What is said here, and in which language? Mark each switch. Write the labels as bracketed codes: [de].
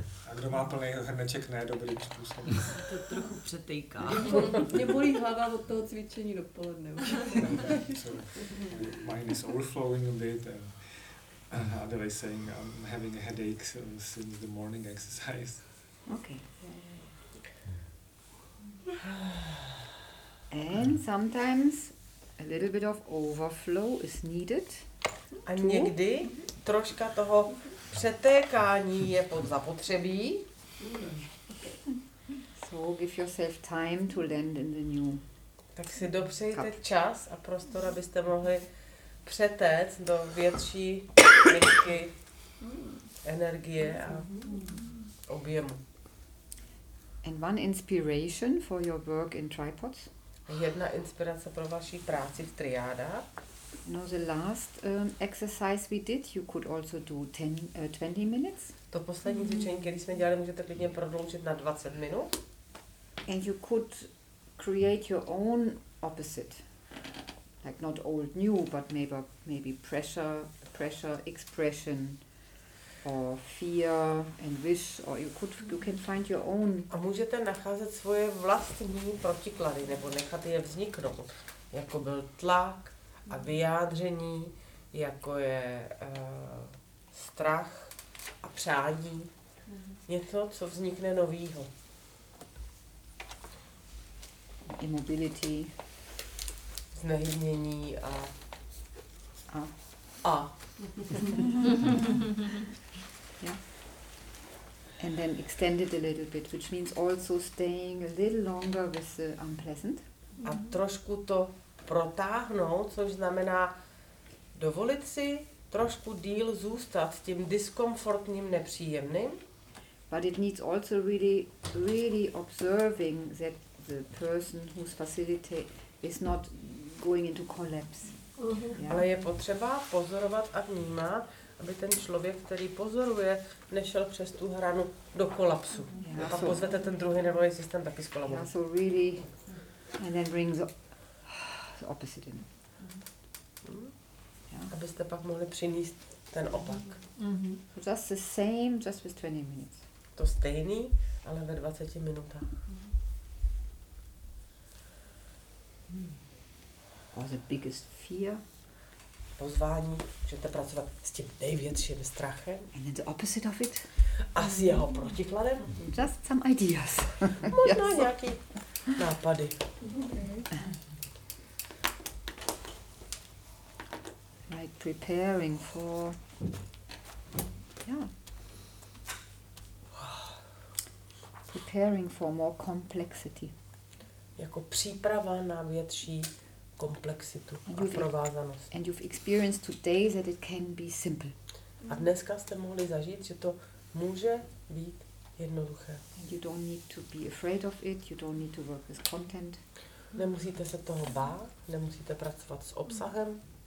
[cs] A kdo má plný hrneček, ne dobrý způsob. To trochu přetejká. Mě bolí hlava od toho cvičení dopoledne. [en] So, mine is overflowing a bit. Adela is saying I'm having a headache since the morning exercise. Okay. And sometimes a little bit of overflow is needed. [cs] A někdy troška toho přetékání je pod zapotřebí. [en] So give yourself time to land in the new. [cs] Tak si dopřejte čas a prostor, abyste mohli přetéct do větší misky energie a objemu. [en] And one inspiration for your work in tripods. [cs] Jedna inspirace pro vaši práci v triádách. [en] No, the last exercise we did, you could also do 20 minutes. [cs] To poslední cvičení, které jsme dělali, můžete klidně prodloužit na 20 minut. [en] And you could create your own opposite. Like not old, new, but maybe pressure, expression. Or fear and wish, or you can find your own. [cs] A můžete nacházet svoje vlastní protiklady, nebo nechat je vzniknout. Jako byl tlak a vyjádření, jako je strach a přání. Něco, co vznikne novýho. [en] Immobility. [cs] Znehybnění a. [en] Yeah. And then extend it a little bit, which means also staying a little longer with the unpleasant. [cs] A trošku to protáhnout, což znamená dovolit si trošku díl zůstat s tím diskomfortním, nepříjemným. [en] But it needs also really, really observing that the person who's facilitating is not going into collapse. Uh-huh. Yeah. [cs] Ale je potřeba pozorovat a vnímat, aby ten člověk, který pozoruje, nešel přes tu hranu do kolapsu. [en] Yeah, [cs] a pak pozvete ten druhý nervový systém taky z kolapsu. [en] Yeah, so really, and then bring the opposite in. Yeah. [cs] Abyste pak mohli přinést ten opak. [en] Mm-hmm. So just the same, just with 20 minutes. [cs] To stejný, ale ve 20 minutách. [en] Or the biggest fear. [cs] Pozvání, můžete pracovat s tím největším strachem. [en] And the opposite of it. [cs] A s jeho protikladem. [en] Just some ideas. [cs] Možná yes. Nějaký nápady. [en] Okay. Like preparing for... Yeah. Preparing for more complexity. [cs] Jako příprava na větší... komplexitu a provázanost. [en] And you've experienced today that it can be simple. [cs] A dneska jste mohli zažít, že to může být jednoduché. [en] And you don't need to be afraid of it, you don't need to work with content. [cs] Nemusíte se toho bát, nemusíte pracovat s obsahem.